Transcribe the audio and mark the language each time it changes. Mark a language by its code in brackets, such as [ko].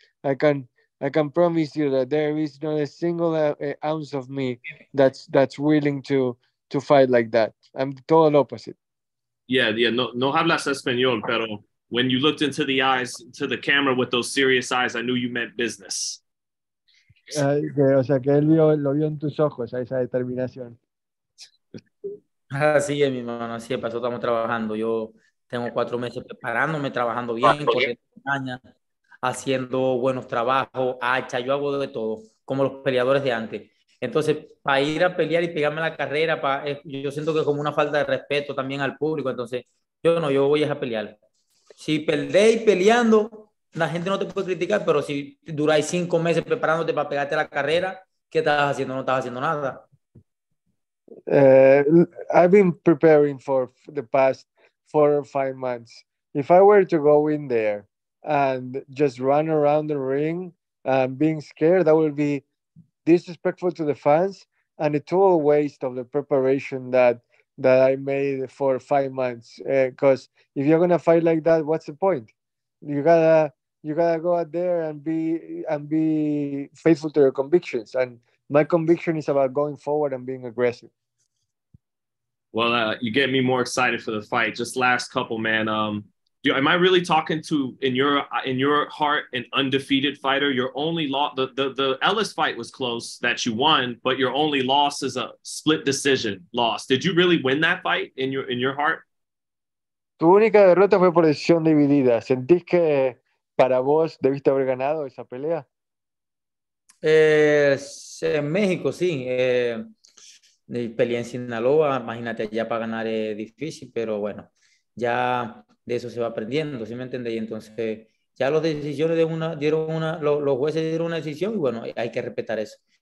[en] I can promise you that there is not a single ounce of me that's willing to fight like that. I'm the total opposite. Yeah, [es] no hablas español, pero [en] when you looked into the eyes, to the camera with those serious eyes, I knew you meant business. [es] O sea, que él lo vio en tus ojos, esa determinación. Así es, mi hermano, así es, para eso estamos trabajando. Yo tengo 4 meses preparándome, trabajando bien, haciendo buenos trabajos, hacha, yo hago de todo, como los peleadores de antes. Entonces, para ir a pelear y pegarme la carrera, yo siento que es como una falta de respeto también al público. Entonces, yo voy a pelear. Si perdéis peleando, la gente no te puede criticar, pero si duráis 5 meses preparándote para pegarte la carrera, ¿qué estás haciendo? No estás haciendo nada. [en] I've been preparing for the past 4 or 5 months if I were to go in there and just run around the ring being scared, that would be disrespectful to the fans and a total waste of the preparation that I made for 5 months. Because if you're gonna fight like that, what's the point? You gotta go out there and be faithful to your convictions. And my conviction is about going forward and being aggressive. Well, you get me more excited for the fight. Just last couple, man. Am I really talking to, in your heart, an undefeated fighter? Your only loss, the Ellis fight was close that you won, but your only loss is a split decision loss. Did you really win that fight in your heart? [es] Tu única derrota fue por decisión dividida. ¿Sentís que para vos debiste haber ganado esa pelea? En México, sí. Peleé en Sinaloa. Imagínate, ya para ganar es difícil, pero bueno, ya de eso se va aprendiendo, ¿sí me entendés? Y entonces ya los decisiones de una dieron una, los jueces dieron una decisión y bueno, hay que respetar eso.